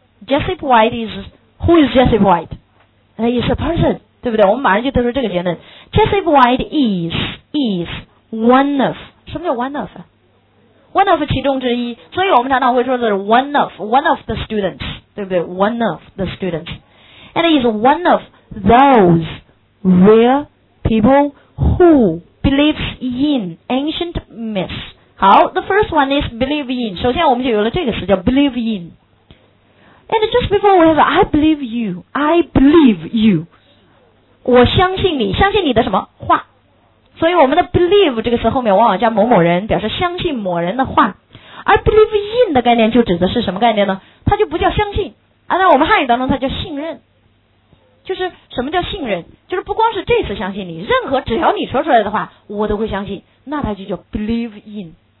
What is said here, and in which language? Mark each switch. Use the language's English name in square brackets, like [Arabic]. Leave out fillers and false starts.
[English] Jessup White is, who is Jessup White? He's a person, [Chinese] 对不对？我们马上就得出这个结论。 [English] Jessup White is one of, [Chinese] 什么叫 [English] one of? [Chinese] One of 其中之一，所以我们常常会说是 [English] one of the students, [Chinese] 对不对 ?one of the students. [English] And he is one of those rare people who believes in ancient myths. 好 ,the first one is believe in. [Chinese] 首先我们就有了这个词叫 believe in. [English] And just before we have, I believe you. [Chinese] 我相信你，相信你的什么话。所以我们的 believe 这个词后面往往加某某人，表示相信某人的话。而 believe in 的概念就指的是什么概念呢？它就不叫相信，按照我们汉语当中它叫信任。就是什么叫信任？就是不光是这次相信你，任何只要你说出来的话我都会相信，那它就叫 believe in。